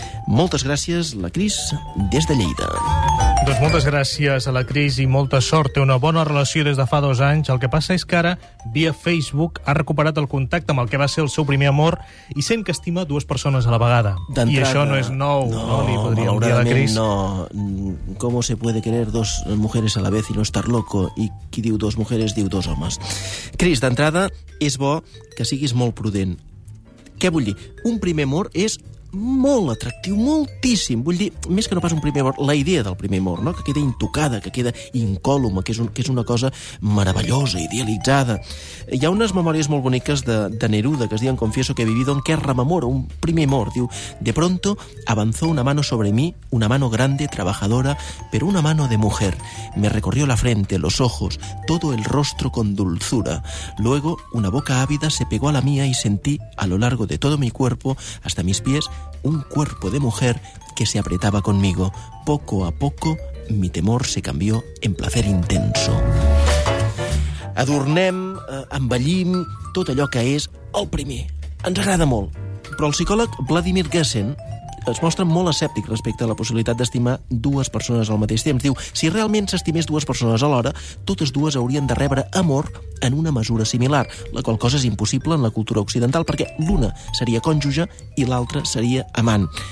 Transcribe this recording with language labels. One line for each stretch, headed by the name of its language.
Catalan: Moltes gràcies, la Cris, des de Lleida. Doncs moltes gràcies a la Cris i molta sort. Té una bona relació des de fa 2 anys. El que passa és que ara, via Facebook, ha recuperat el contacte amb el que va ser el seu primer amor i sent que estima dues persones a la vegada. I això no és nou, no li podríem dir a la Cris.
Spanish: No, ¿cómo se puede querer dos mujeres a la vez y no estar loco?
Catalan: I qui diu
Spanish: dos mujeres
Catalan: diu dos homes. Cris, d'entrada, és bo que siguis molt prudent. Què vull dir? Un primer amor és molt atractiu, moltíssim. Vull dir, més que no pas un primer amor, la idea del primer amor, no? Que queda intocada, que queda incòlume, que és una cosa meravellosa, idealitzada. Hi ha unes memòries molt boniques de Neruda que es diuen Confieso que he vivido, en què rememora un primer amor.
Spanish: Diu, de pronto avanzó una mano sobre mí, una mano grande, trabajadora, pero una mano de mujer. Me recorrió la frente, los ojos, todo el rostro con dulzura. Luego, una boca ávida se pegó a la mía y sentí, a lo largo de todo mi cuerpo, hasta mis pies, un cuerpo de mujer que se apretaba conmigo. Poco a poco, mi temor se cambió en placer intenso.
Catalan: Adornem, embellim tot allò que és el primer. Ens agrada molt. Però el psicòleg Vladimir Gassen es mostra molt escèptic respecte a la possibilitat d'estimar dues persones al mateix temps. Diu, si realment s'estimés dues persones alhora, totes dues haurien de rebre amor en una mesura similar, la qual cosa és impossible en la cultura occidental, perquè l'una seria cònjuge i l'altra seria amant.